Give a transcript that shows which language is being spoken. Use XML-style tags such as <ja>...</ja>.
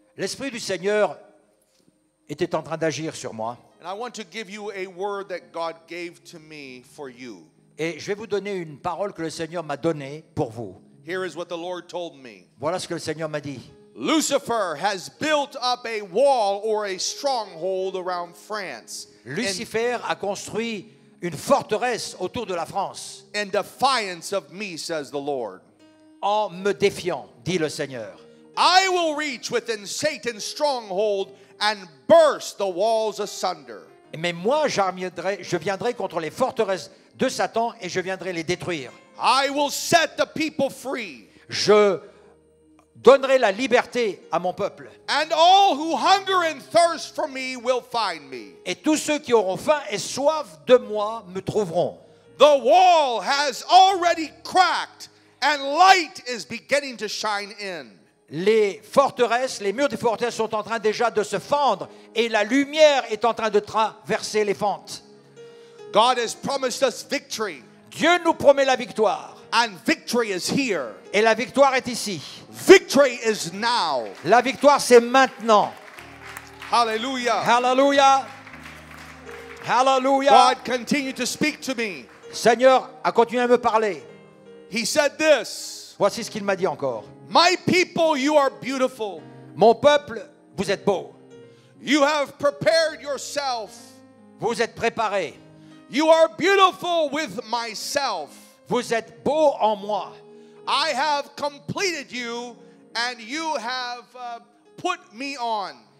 <fr>L'Esprit du Seigneur était en train d'agir sur moi.</fr> <en>And I want to give you a word that God gave to me for you.</en> <fr>Et je vais vous donner une parole que le Seigneur m'a donnée pour vous.</fr> <en>Here is what the Lord told me.</en> <fr>Voilà ce que le Seigneur m'a dit.</fr> <en>Lucifer has built up a wall or a stronghold around France.</en> <fr>Lucifer a construit une forteresse autour de la France.</fr> <en>In defiance of me, says the Lord.</en> <fr>En me défiant, dit le Seigneur.</fr> <en>I will reach within Satan's stronghold and burst the walls asunder.</en> <fr>Mais moi, je viendrai contre les forteresses de Satan et je viendrai les détruire.</fr> <en>I will set the people free.</en> <fr>Je donnerai la liberté à mon peuple.</fr> <en>And all who hunger and thirst for me will find me.</en> <fr>Et tous ceux qui auront faim et soif de moi me trouveront.</fr> <en>The wall has already cracked and light is beginning to shine in.</en> <fr>Les forteresses, les murs des forteresses sont en train déjà de se fendre et la lumière est en train de traverser les fentes.</fr> <en>God has promised us victory.</en> <fr>Dieu nous promet la victoire.</fr> <en>And victory is here.</en> <fr>Et la victoire est ici.</fr> <en>Victory is now.</en> <fr>La victoire c'est maintenant. Hallelujah. Hallelujah. Hallelujah.</fr> <en>God continue to speak to me.</en> <fr>Seigneur a continué à me parler.</fr> <en>He said this.</en> <fr>Voici ce qu'il m'a dit encore.</fr> <en>My people, you are beautiful.</en> <fr>Mon peuple, vous êtes beau.</fr> <en>You have prepared yourself.</en> <fr>Vous êtes préparé.</fr> <en>You are beautiful with myself.</en> <fr>Vous êtes beau en moi.</fr> <en>I have completed you and you have put me on.</en>